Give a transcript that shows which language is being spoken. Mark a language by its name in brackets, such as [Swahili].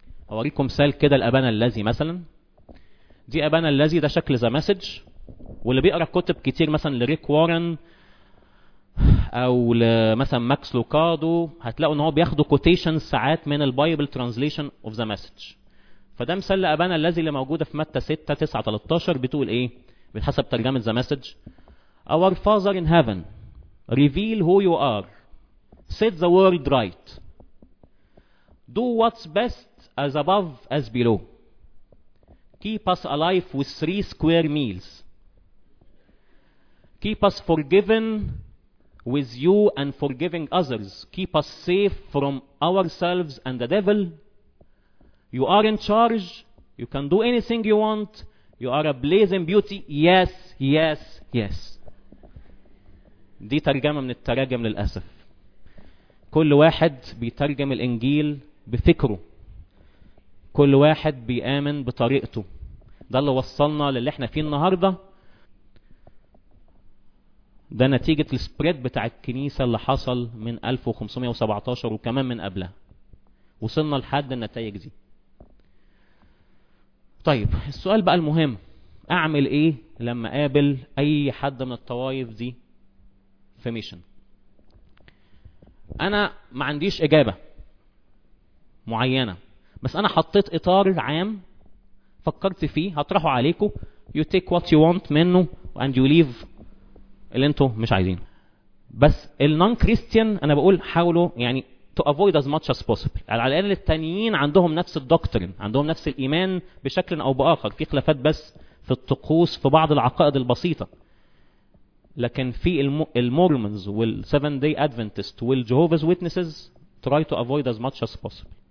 [Arabic] أوريكم مثال كده، الأبانا الذي مثلا، دي أبانا الذي ده شكل ذا مسج، واللي بيقرأ كتب كتير مثلا لريك وارن او مثلا ماكس لوكادو، هتلاقوا ان هو بياخدوا كوتيشن ساعات من البايبل ترانزليشن اوف ذا مسج. فده مثال لابانا الذي اللي موجوده في متى 6 9 13 بتقول ايه بحسب ترجمه ذا مسج: [English] Our Father in heaven, reveal who you are, set the world right, do what's best as above as below, keep us alive with 3 square meals, keep us forgiven with you and forgiving others, keep us safe from ourselves and the devil, you are in charge, you can do anything you want, you are a blazing beauty, yes yes yes. [Arabic] دي ترجمة من التراجم للأسف. كل واحد بيترجم الإنجيل بفكره، كل واحد بيآمن بطريقته. ده اللي وصلنا للي احنا فيه النهاردة. ده نتيجة السبريد بتاع الكنيسة اللي حصل من 1517 وكمان من قبلها، وصلنا لحد النتائج دي. طيب السؤال بقى المهم: أعمل إيه لما قابل أي حد من الطوائف دي في ميشن؟ أنا ما عنديش إجابة معينة، بس أنا حطيت إطار عام فكرت فيه هطرحه عليكم. [English] You take what you want [Arabic] منه [English] and you leave [Arabic] اللي أنتوا مش عايزين. بس النون كريستيان أنا بقول حاولوا يعني [English] to avoid as much as possible، [Arabic] على الأقل التانيين عندهم نفس الدكترين، عندهم نفس الإيمان بشكل أو بآخر، في خلافات بس في الطقوس في بعض العقائد البسيطة. لكن في المورمونز والسيفن داي ادفنتست والجهوفز ويتنسز [English] Try to avoid as much as possible.